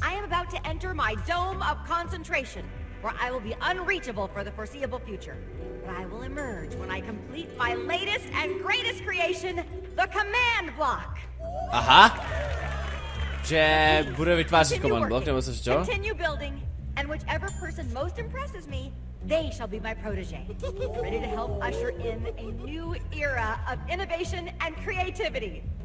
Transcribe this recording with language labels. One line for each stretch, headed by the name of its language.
English: I am about to enter my dome of concentration, where I will be unreachable for the foreseeable future. But I will emerge when I complete my latest and greatest creation, the command block.
Czech: Aha. Že bude vytvářet command block, nebo co?
English: Continue building, and whichever person most impresses me, they shall be my protege, ready to help usher in a new era of innovation and creativity.